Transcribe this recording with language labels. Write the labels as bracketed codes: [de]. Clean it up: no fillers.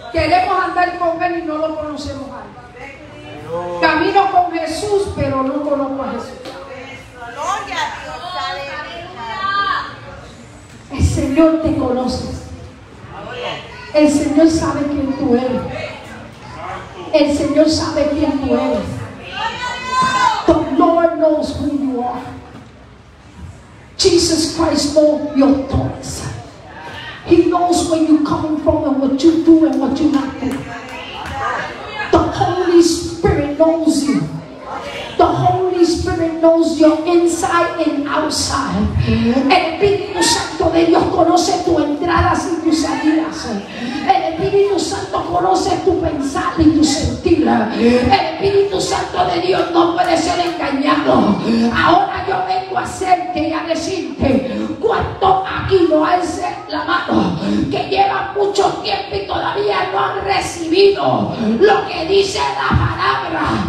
[es] Queremos andar con Él y no lo conocemos. Camino con Jesús, pero no conozco a Jesús. Gloria a Dios, aleluya. El Señor te conoce. El Señor sabe quién tú eres. El Señor sabe quién tú eres. [en] The Lord knows who you are. Jesus Christ knows your thoughts. He knows where you're coming from and what you do and what you not do. The Holy Spirit knows you. The Holy Spirit knows your inside and outside. [es] El Espíritu Santo de Dios conoce tu entrada y tu salida. El Espíritu Santo conoce tu pensar y tu sentir. El Espíritu Santo de Dios no puede ser engañado. Ahora yo vengo a hacerte y a decirte cuánto aquí no alce la mano que lleva mucho tiempo y todavía no han recibido lo que dice la palabra.